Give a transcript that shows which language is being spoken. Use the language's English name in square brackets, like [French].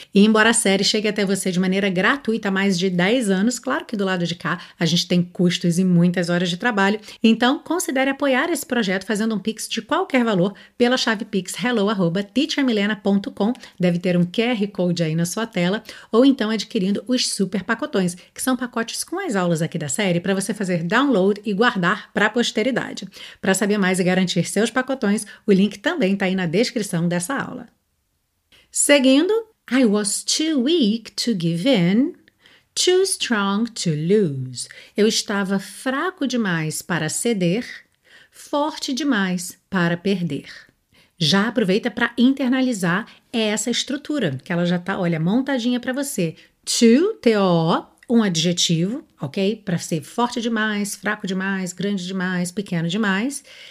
[Portuguese] E embora a série chegue até você de maneira gratuita há mais de 10 anos, claro que do lado de cá a gente tem custos e muitas horas de trabalho, então considere apoiar esse projeto fazendo um Pix de qualquer valor pela chave Pix hello@teachermilena.com. Deve ter um QR Code aí na sua tela, ou então adquirindo os super pacotões, que são pacotes com as aulas aqui da série para você fazer download e guardar para a posteridade. Para saber mais e garantir seus pacotões, o link também está aí na descrição dessa aula. Seguindo, [English] I was too weak to give in, too strong to lose. [Portuguese] Eu estava fraco demais para ceder, forte demais para perder. Já aproveita para internalizar essa estrutura, que ela já está, olha, montadinha para você. Too, T-O-O, um adjetivo, ok? Para ser forte demais, fraco demais, grande demais, pequeno demais.